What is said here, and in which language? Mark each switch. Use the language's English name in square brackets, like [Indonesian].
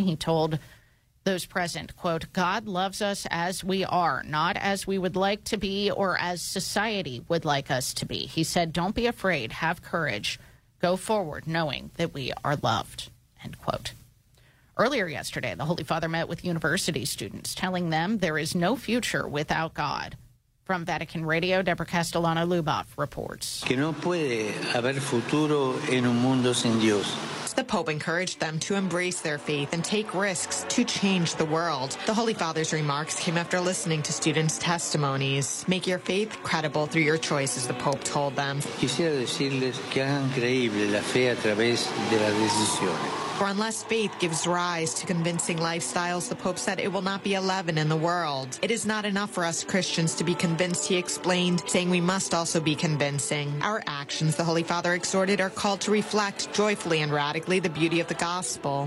[English] He told those present, quote, "God loves us as we are, not as we would like to be or as society would like us to be." He said, "Don't be afraid, have courage, go forward knowing that we are loved," end quote. Earlier yesterday, the Holy Father met with university students, telling them there is no future without God. From Vatican Radio, Deborah Castellano-Luboff reports. [Spanish] Que no puede haber futuro en un mundo sin Dios. [English] The Pope encouraged them to embrace their faith and take risks to change the world. The Holy Father's remarks came after listening to students' testimonies. Make your faith credible through your choices, the Pope told them. [Spanish] Quisiera decirles que hagan creíble la fe a través de la decisión. [English] For unless faith gives rise to convincing lifestyles, the Pope said, it will not be a leaven in the world. It is not enough for us Christians to be convinced, he explained, saying we must also be convincing. Our actions, the Holy Father exhorted, are called to reflect joyfully and radically the beauty of the gospel.